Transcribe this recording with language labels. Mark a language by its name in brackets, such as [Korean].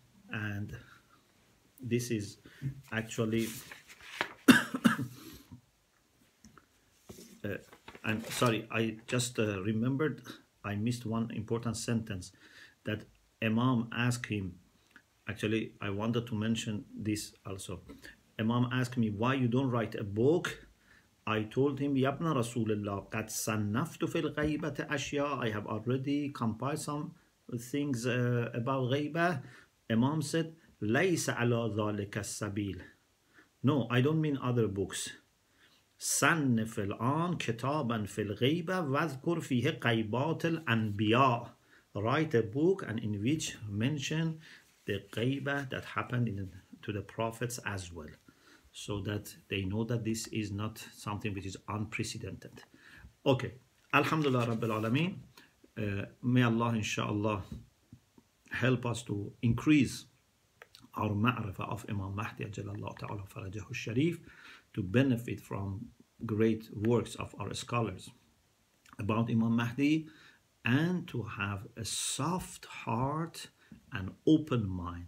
[English] And this is actually I remembered I missed one important sentence that Imam asked him. Actually, I wanted to mention this also. Imam asked me, why you don't write a book? I told him, [Arabic] يا ابن رسول الله قد صنفت في الغيبة أشياء. [English] I have already compiled some things about غيبة. Imam said, [Arabic] ليس على ذلك السبيل. [English] No, I don't mean other books. [Arabic] صنف الآن كتابا في الغيبة واذكر فيه غيبات الأنبياء. [English] Write a book and in which mention the غيبه that happened to the prophets as well, so that they know that this is not something which is unprecedented. Okay, alhamdulillah rabbil alameen. May Allah inshallah help us to increase our ma'rifah of Imam Mahdi ajallallahu ta'ala farajahu sharif, to benefit from great works of our scholars about Imam Mahdi, and to have a soft heart, an open mind.